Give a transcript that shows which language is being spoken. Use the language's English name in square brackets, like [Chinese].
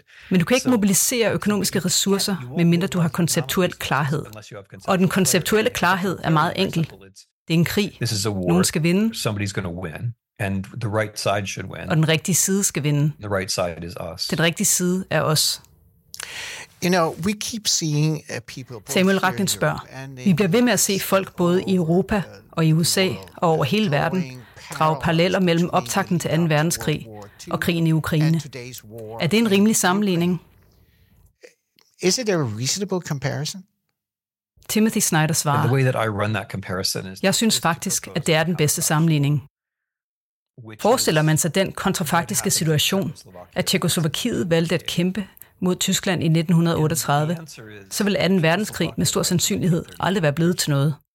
[Danish] Men du kan ikke mobilisere økonomiske ressourcer, medmindre du har konceptuel klarhed. Og den konceptuelle klarhed er meget enkel. Det er en krig. Nogen skal vinde. [English] And the right side should win. [Danish] Og den rigtige side skal vinde. [English] The right side is us. [Danish] Den rigtige side er os. [English] You know, we keep seeing people. [Danish] Samuel Ragnhild spørger. Vi bliver ved med at se folk både i Europa og i USA og over hele verden drage paralleller mellem optakten til 2. verdenskrig og krigen i Ukraine. Er det en rimelig sammenligning? [English] Is it a reasonable comparison? [Danish] Timothy Snyder svarer. [English] The way that I run that comparison is. [Danish] Jeg synes faktisk, at det er den bedste sammenligning. Forestiller man sig den kontrafaktiske situation, at Tjekkoslovakiet valgte at kæmpe mod Tyskland i 1938, så ville 2. verdenskrig med stor sandsynlighed aldrig være blevet til noget.